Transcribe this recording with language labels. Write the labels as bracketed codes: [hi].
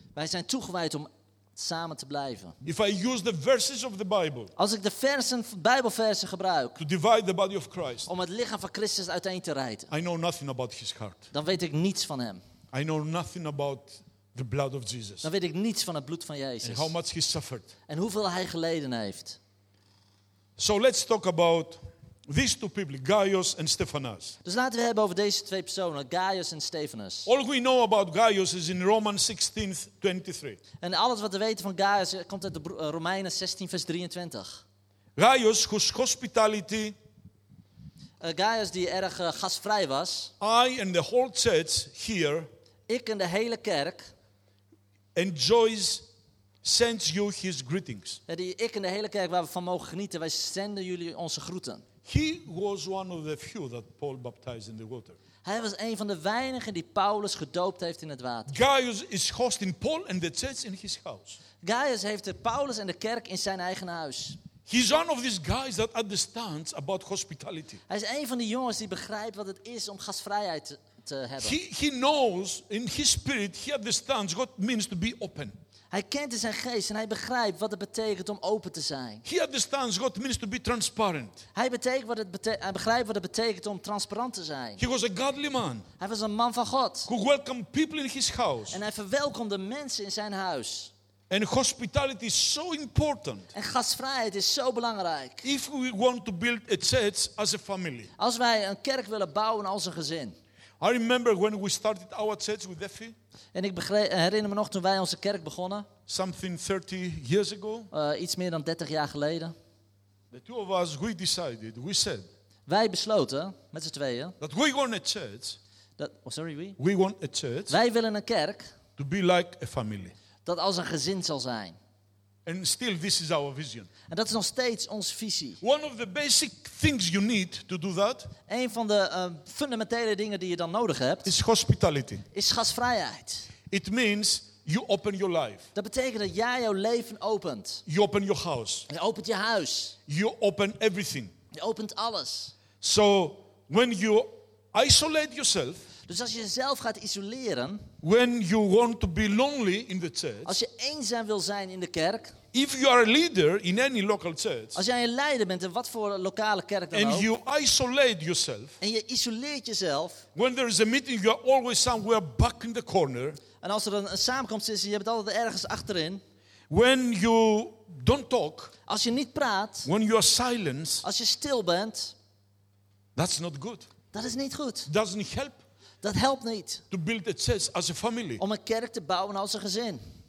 [nl] Wij zijn toegewijd om samen te blijven. [en] If I use the verses of the Bible, [nl] als ik de versen, Bijbelversen gebruik. [en] To divide the body of Christ, [nl] om het lichaam van Christus uiteen te rijden. [en] I know nothing about his heart. [nl] Dan weet ik niets van hem. [en] I know nothing about the blood of Jesus. [nl] Dan weet ik niets van het bloed van Jezus. [en] And how much he suffered. [nl] En hoeveel hij geleden heeft. [en] So let's talk about these two people, Gaius and Stephanas. [nl] Dus laten we hebben over deze twee personen, Gaius en Stephanas. [en] All we know about Gaius is in Romans 16, 23. [nl] En alles wat we weten van Gaius komt uit de Romeinen 16, vers 23. [en] Gaius, whose hospitality. [nl] Gaius die erg gastvrij was. [en] I and the whole church here. [nl] Ik en de hele kerk. [en] Enjoys sends you his greetings. [nl] Ik en de hele kerk waar we van mogen genieten, wij zenden jullie onze groeten. [en] He was one of the few that Paul baptized in the water. [nl] Hij was een van de weinigen die Paulus gedoopt heeft in het water. [en] Gaius is hosting Paul and the church in his house. [nl] Gaius heeft Paulus en de kerk in zijn eigen huis. [en] He's one of these guys that understands about hospitality. [nl] Hij is een van die jongens die begrijpt wat het is om gastvrijheid te hebben. [en] He knows in his spirit, he understands what it means to be open. [nl] Hij kent in zijn geest en hij begrijpt wat het betekent om open te zijn. [en] He understands what it means to be transparent. [nl] Hij begrijpt wat het betekent om transparant te zijn. [en] He was a godly man. [nl] Hij was een man van God. [en] Who welcomed people in his house. [nl] En hij verwelkomde mensen in zijn huis. [en] And hospitality is so important. [nl] En gastvrijheid is zo belangrijk. [en] If we want to build a church as a family. [nl] Als wij een kerk willen bouwen als een gezin. [en] I remember when we started our church with Effie. [nl] En ik herinner me nog toen wij onze kerk begonnen. [en] Something 30 years ago. [nl] Iets meer dan 30 jaar geleden. [en] The two of us, we decided, we said. [nl] Wij besloten met z'n tweeën. [en] That we want a church. We want a church. [nl] Wij willen een kerk. [en] To be like a family. [nl] Dat als een gezin zal zijn. [en] And still this is our vision. [nl] En dat is nog steeds onze visie. [en] One of the basic things you need to do that. [nl] Een van de fundamentele dingen die je dan nodig hebt. [en] Is hospitality. [nl] Is gastvrijheid. [en] It means you open your life. [nl] Dat betekent dat jij jouw leven opent. [en] You open your house. [nl] Je opent je huis. [en] You open everything. [nl] Je opent alles. [en] So when you isolate yourself. [nl] Dus als je jezelf gaat isoleren. [en] When you want to be lonely in the church. [nl] Als je eenzaam wil zijn in de kerk. [en] If you are a leader in any local church. [nl] Als jij een leider bent in wat voor lokale kerk dan [en] and [nl] ook. [en] And you isolate yourself. [nl] En je isoleert jezelf. [en] When there is a meeting you are always somewhere back in the corner. [nl] En als er een samenkomst is en je bent altijd ergens achterin. [en] When you don't talk. [nl] Als je niet praat. [en] When you are silent. [nl] Als je stil bent. [en] That's not good. [nl] Dat is niet goed. [en] Doesn't help. [nl] Dat helpt niet. [en] To build a church as a family. [nl] Om een kerk te bouwen als een gezin.